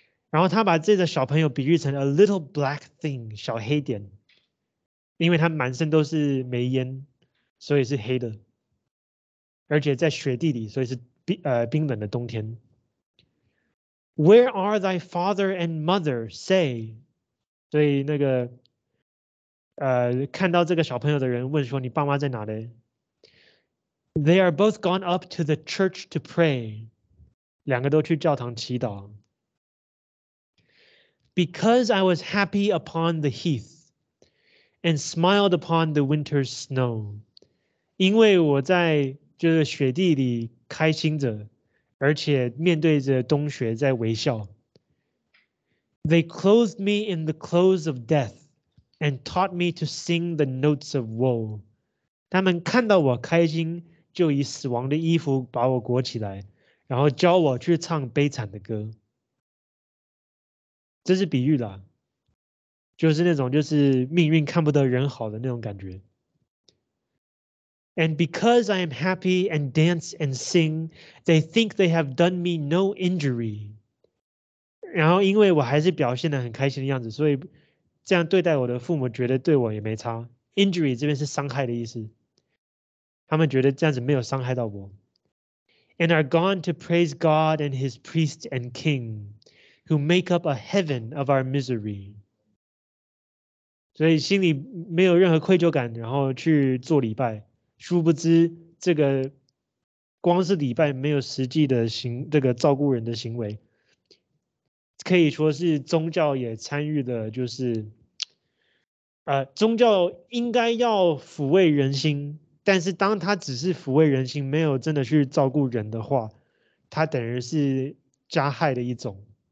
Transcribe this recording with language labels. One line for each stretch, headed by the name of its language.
Chinese: 然后他把这个小朋友比喻成
English: a little black thing，
Chinese: 小黑点，因为他满身都是煤烟，所以是黑的，而且在雪地里，所以是冰冷的冬天。
English: Where are thy father and mother? Say.
Chinese: 所以那个看到这个小朋友的人问说，你爸妈在哪呢？
English: They are both gone up to the church to pray.
Chinese: 两个都去教堂祈祷。
English: Because I was happy upon the heath and smiled upon the winter's snow.
Chinese: 因为我在就是雪地里开心着，而且面对着冬雪在微笑。
English: They clothed me in the clothes of death and taught me to sing the notes of woe.
Chinese: 他们看到我开心，就以死亡的衣服把我裹起来，然后教我去唱悲惨的歌。这是比喻啦，就是那种就是命运看不得人好的那种感觉。
English: And because I am happy and dance and sing, they think they have done me no injury.
Chinese: 然后因为我还是表现得很开心的样子，所以这样对待我的父母觉得对我也没差。 Injury 这边是伤害的意思，他们觉得这样子没有伤害到我。
English: And are gone to praise God and his priest and king, who make up a heaven of our misery.
Chinese: 所以心里没有任何愧疚感，然后去做礼拜。殊不知这个光是礼拜没有实际的行这个照顾人的行为，可以说是宗教也参与的，就是宗教应该要抚慰人心，但是当他只是抚慰人心没有真的去照顾人的话，他等于是加害的一种。